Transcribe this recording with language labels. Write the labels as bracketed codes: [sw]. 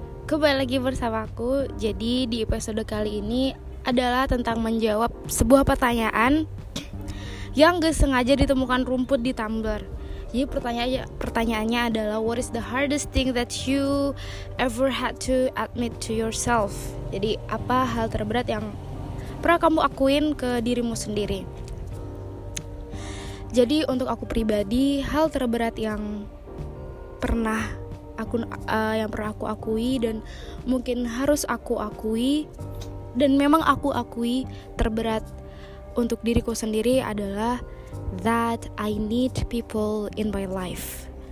[id] Kembali lagi bersama aku. Jadi di episode kali ini adalah tentang menjawab sebuah pertanyaan yang gak sengaja ditemukan rumput di Tumblr. Jadi pertanyaannya adalah, [en] what is the hardest thing that you ever had to admit to yourself? [id] Jadi apa hal terberat yang pernah kamu akuin ke dirimu sendiri? Jadi untuk aku pribadi, hal terberat yang pernah aku akui dan mungkin harus aku akui dan memang aku akui terberat untuk diriku sendiri adalah [en] that I need people in my life.